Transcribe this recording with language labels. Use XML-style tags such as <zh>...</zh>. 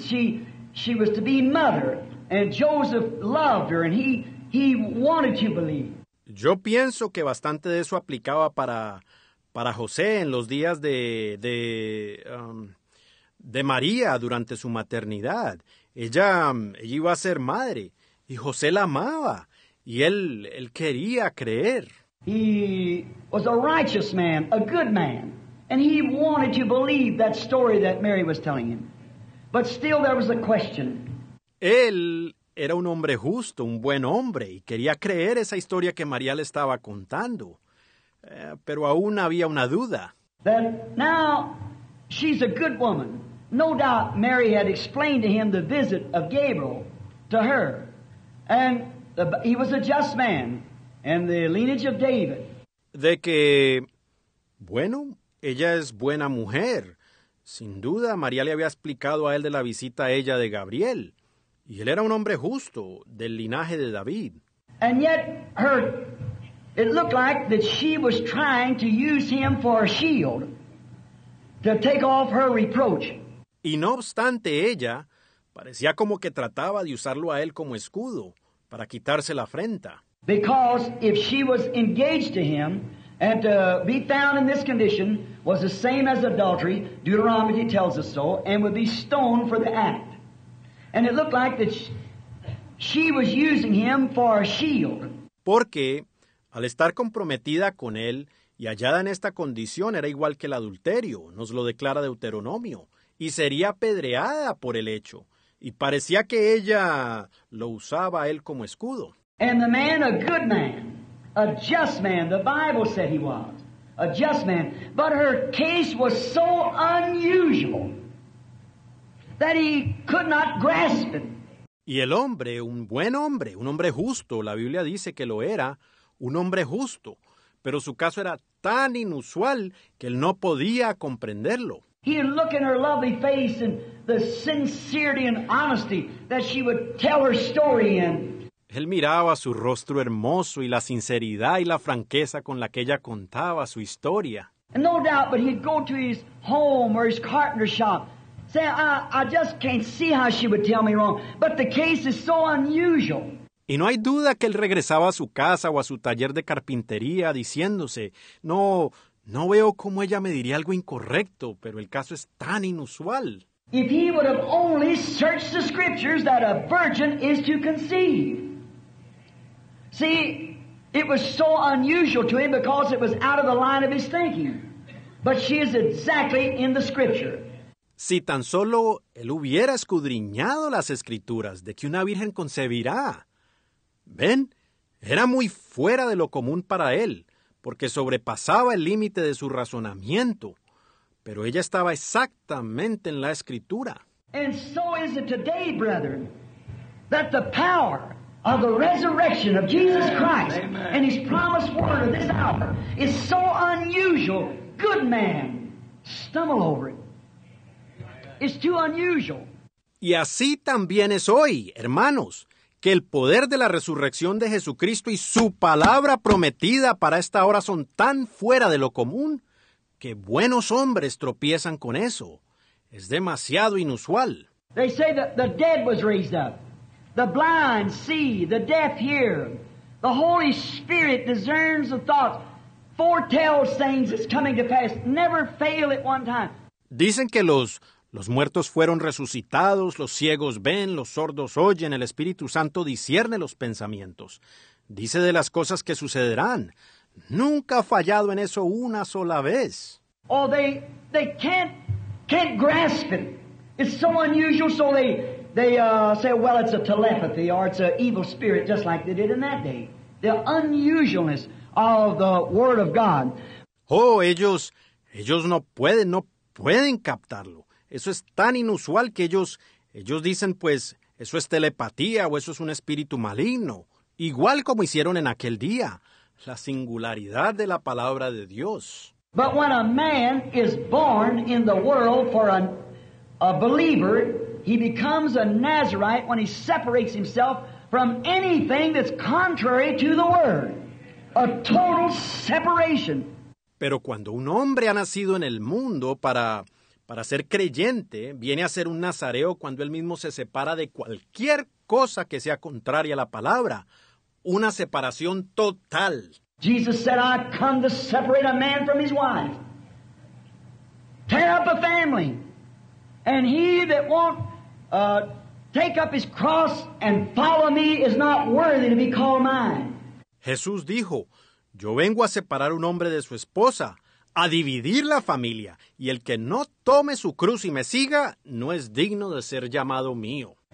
<en>She was to be mother, and Joseph loved her, and he wanted to believe.</en> <es>Yo pienso que bastante de eso aplicaba para José en los días de María durante su maternidad. Ella iba a ser madre, y José la amaba. Y él quería creer.</es> <en>He was a righteous man, a good man. And he wanted to believe that story that Mary was telling him. But still there was a question.</en> <es>Él era un hombre justo, un buen hombre, y quería creer esa historia que María le estaba contando. Pero aún había una duda.</es> <en>That now, she's a good woman. No doubt Mary had explained to him the visit of Gabriel to her. And he was a just man in the lineage of David.</en> <es>De que, bueno, ella es buena mujer. Sin duda, María le había explicado a él de la visita a ella de Gabriel. Y él era un hombre justo, del linaje de David.</es> <en>And yet, it looked like that she was trying to use him for a shield to take off her reproach.</en> <es>Y no obstante ella, parecía como que trataba de usarlo a él como escudo para quitarse la afrenta.</es> <en>Because if she was engaged to him and to be found in this condition was the same as adultery, Deuteronomy tells us so, and would be stoned for the act. And it looked like that she was using him for a shield.</en> <es>Porque al estar comprometida con él y hallada en esta condición era igual que el adulterio, nos lo declara Deuteronomio, y sería apedreada por el hecho. Y parecía que ella lo usaba a él como escudo.</es> <en>And the man, a good man, a just man, the Bible said he was, a just man. But her case was so unusual that he could not grasp it.</en> <es>Y el hombre, un buen hombre, un hombre justo, la Biblia dice que lo era, un hombre justo, pero su caso era tan inusual que él no podía comprenderlo.</es> <en>He would look in her lovely face and the sincerity and honesty that she would tell her story in.</en> <es>Él miraba su rostro hermoso y la sinceridad y la franqueza con la que ella contaba su historia.</es> <en>And no doubt, but he'd go to his home or his carpenter shop. Say, I just can't see how she would tell me wrong, but the case is so unusual.</en> <es>Y no hay duda que él regresaba a su casa o a su taller de carpintería diciéndose, no veo cómo ella me diría algo incorrecto, pero el caso es tan inusual.</es> <en>If he would have only searched the scriptures that a virgin is to conceive. See, it was so unusual to him because it was out of the line of his thinking. But she is exactly in the scripture.</en> <es>Si tan solo él hubiera escudriñado las escrituras de que una virgen concebirá. ¿Ven? Era muy fuera de lo común para él, porque sobrepasaba el límite de su razonamiento. Pero ella estaba exactamente en la escritura.</es> <en>And so is it today, brethren, that the power of the resurrection of Jesus Christ and his promised word of this hour is so unusual, good man, stumble over it. It's too unusual.</en> <es>Y así también es hoy, hermanos, que el poder de la resurrección de Jesucristo y su palabra prometida para esta hora son tan fuera de lo común que buenos hombres tropiezan con eso. Es demasiado inusual.</es> <en>They say that the dead was raised up. The blind see, the deaf hear. The Holy Spirit discerns the thoughts. Foretells things that's coming to pass. Never fail at one time.</en> <es>Dicen que los muertos fueron resucitados, los ciegos ven, los sordos oyen, el Espíritu Santo discierne los pensamientos. Dice de las cosas que sucederán. Nunca ha fallado en eso una sola vez.</es> <en>Oh, they can't grasp it. It's so unusual, so they say, well, it's a telepathy or it's an evil spirit, just like they did in that day. The unusualness of the Word of God.</en> <es>Oh, ellos no pueden captarlo. Eso es tan inusual que ellos dicen, pues, eso es telepatía o eso es un espíritu maligno. Igual como hicieron en aquel día. La singularidad de la palabra de Dios.</es> <en>But when a man is born in the world for a believer, he becomes a Nazarite when he separates himself from anything that's contrary to the word. A total separation.</en> <es>Pero cuando un hombre ha nacido en el mundo para ser creyente, viene a ser un nazareo cuando él mismo se separa de cualquier cosa que sea contraria a la palabra. Una separación total.</es> <en>Jesus said, I come to separate a man from his wife. Tear up a family. And he that won't take up his cross and follow me is not worthy to be called mine.</en> <es>Jesús dijo, yo vengo a separar un hombre de su esposa, a dividir la familia, y el que no tome su cruz y me siga, no es digno de ser llamado mío.</es>